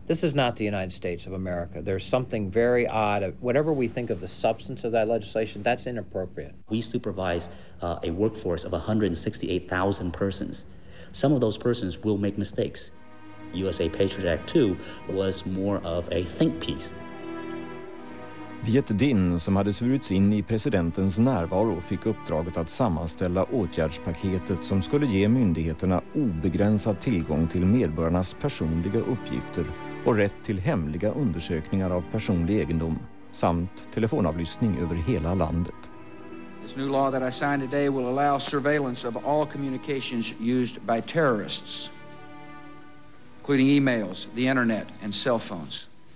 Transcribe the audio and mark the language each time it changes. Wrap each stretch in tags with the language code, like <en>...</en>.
<en>This is not the United States of America. There's something very odd. Whatever we think of the substance of that legislation, that's inappropriate. We supervise a workforce of 168,000 persons. Some of those persons will make mistakes. USA Patriot Act 2 was more of a think piece.</en> <sv>Viet Dinh, som hade svurits in i presidentens närvaro, fick uppdraget att sammanställa åtgärdspaketet som skulle ge myndigheterna obegränsad tillgång till medborgarnas personliga uppgifter och rätt till hemliga undersökningar av personlig egendom samt telefonavlyssning över hela landet.</sv> <en>This new law that I signed today will allow surveillance of all communications used by terrorists, including emails, the internet and cell phones.</en>